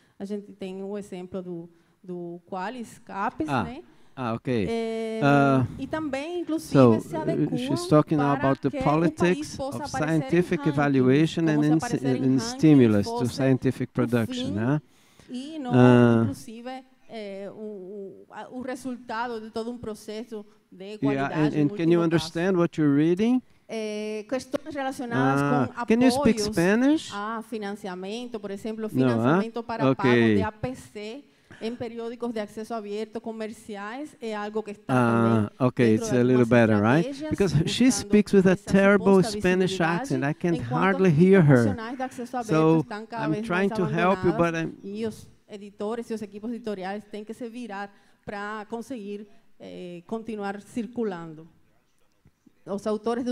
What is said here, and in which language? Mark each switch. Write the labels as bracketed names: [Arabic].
[Portuguese] A gente tem o exemplo do Qualis, CAPES, ah, né? [English] Ah, okay. [Portuguese] E também, inclusive, [English] so, she's talking now about the politics of scientific evaluation and in stimulus to scientific production. [Portuguese] E inclusive, o resultado de todo processo de qualidade. [English] And can you understand what you're reading? [Portuguese] Questões relacionadas com apoios a financiamento, por exemplo, financiamento para pago de APC, em periódicos de acesso aberto comerciais é algo que está [English] it's a little better, right? Because she speaks with a terrible Spanish accent. I can hardly hear her. So I'm trying to help you, but I'm [Portuguese] e os editores e os equipos editoriais têm que se virar para conseguir continuar circulando. Os autores do